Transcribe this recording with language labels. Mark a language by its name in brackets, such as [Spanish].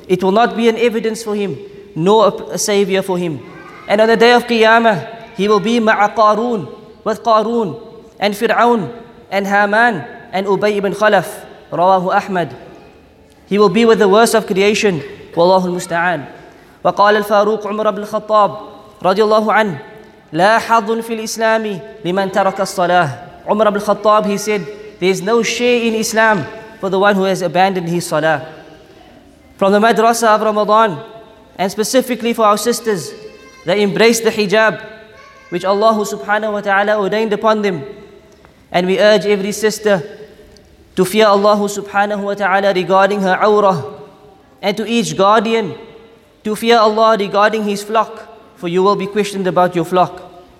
[English] It will not be an evidence for him, nor a savior for him. And on the day of Qiyamah, he will be [Arabic] مَعَ قارون, [English] with Qarun and Fir'aun and Haman and Ubay ibn Khalaf, [Arabic] رواه أحمد. [English] He will be with the worst of creation. [Arabic] وَاللَّهُ الْمُسْتَعَانِ وَقَالَ الْفَارُوقُ عُمْرَ بْنِ الْخَطَّابِ رضي الله عنه لا حظ في الإسلام لمن ترك الصلاة. [English] Umar ibn al-Khattab, he said, there is no share in Islam for the one who has abandoned his salah. From the madrasa of Ramadan, and specifically for our sisters that embrace the hijab which Allah subhanahu wa ta'ala ordained upon them, and we urge every sister to fear Allah subhanahu wa ta'ala regarding her awrah, and to each guardian to fear Allah regarding his flock, for you will be questioned about your flock.